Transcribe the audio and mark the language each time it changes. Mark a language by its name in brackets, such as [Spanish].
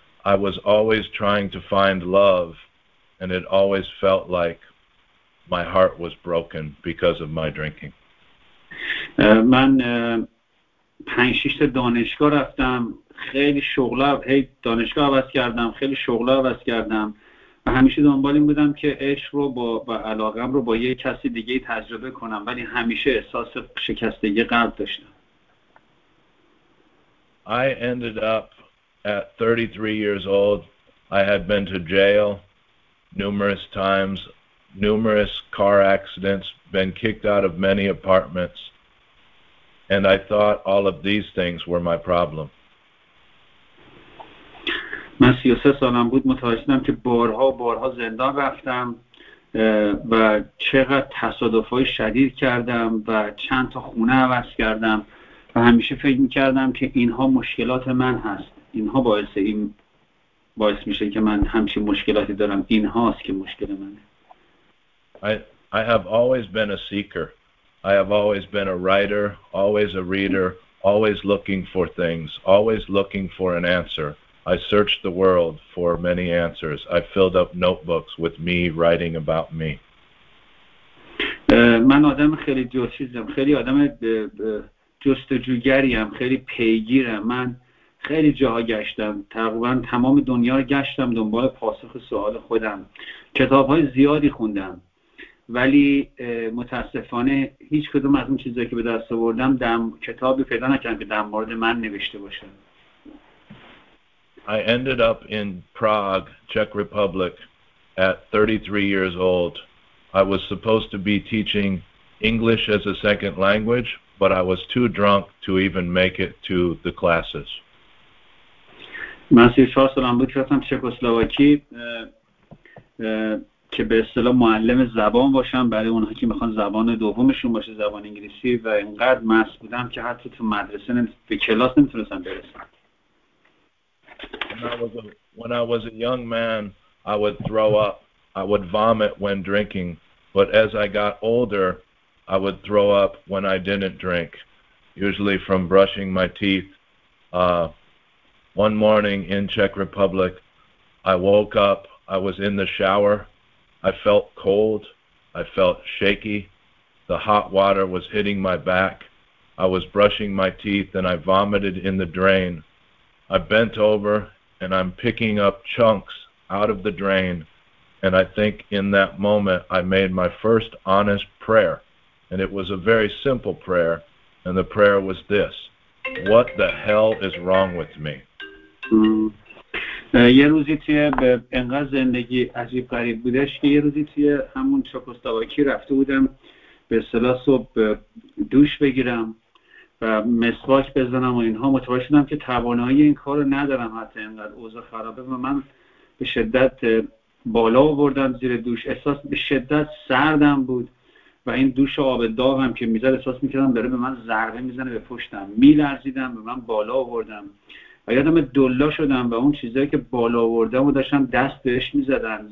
[English] I was always trying to find love, and it always felt like my heart was broken because of my drinking. [Persian] من 5-6 دانشگاه رفتم، خیلی شغلا دانشگاه عوض کردم، خیلی شغلا عوض کردم و همیشه دنبال این بودم که عشق رو با علاقم رو با یه کسی دیگه تجربه کنم، ولی همیشه احساس شکستگی قلب داشتم. [English] I ended up at 33 years old. I had been to jail numerous times, numerous car accidents, been kicked out of many apartments, and I thought all of these things were my problem. [Persian] من 33 سالم بود، متوجه شدم که بارها و بارها زندان رفتم و چقدر تصادفهای شدید کردم و چند تا خونه عوض کردم و همیشه فکر میکردم که اینها مشکلات من هست، اینها باعث میشه که من همچین مشکلاتی دارم، اینهاست که مشکل منه. [English] I have always been a seeker. I have always been a writer, always a reader, always looking for things, always looking for an answer. I searched the world for many answers. I filled up notebooks with me writing about me. [Persian] من آدم خیلی جوشیزم، خیلی آدم جستجوگریم، خیلی پیگیرم. من خیلی جاها گشتم، تقریبا تمام دنیا رو گشتم دنبال پاسخ سوال خودم. کتاب‌های زیادی خوندم، ولی متاسفانه هیچ کدوم از اون چیزایی که به دست آوردم کتابی پیدا نکردم که در مورد من نوشته باشه. [English] I ended up in Prague, Czech Republic at 33 years old. I was supposed to be teaching English as a second language, but I was too drunk to even make it to the classes. [Persian] من 34 سالم بود که رفتم چکسلواکی که به اصطلاح معلم زبان باشم برای اونها که میخوان زبان دومشون باشه زبان انگلیسی، و اینقدر مست بودم که حتی تو مدرسه به کلاس نمیتونستم برسم. [English] When I was a young man, I would throw up. I would vomit when drinking. But as I got older, I would throw up when I didn't drink, usually from brushing my teeth. One morning in Czech Republic, I woke up. I was in the shower. I felt cold. I felt shaky. The hot water was hitting my back. I was brushing my teeth, and I vomited in the drain. I bent over, and I'm picking up chunks out of the drain, and I think in that moment I made my first honest prayer, and it was a very simple prayer, and the prayer was this: what the hell is wrong with me? [Persian] یه روزی توی انقدر زندگی عجیب غریب بودش که یه روزی توی همون چکسلواکی رفته بودم به اصطلاح صبح دوش بگیرم و مسواک بزنم و اینها، متوجه شدم که توانایی این کار رو ندارم، حتی اینقدر اوضاع خرابه و من به شدت بالا آوردم زیر دوش، احساس به شدت سردم بود و این دوش آب داغم که میزد احساس میکردم داره به من ضربه میزنه به پشتم، میلرزیدم و من بالا آوردم و یادم دلا شدم و اون چیزهایی که بالا آوردم و داشتم دست بهش میزدم.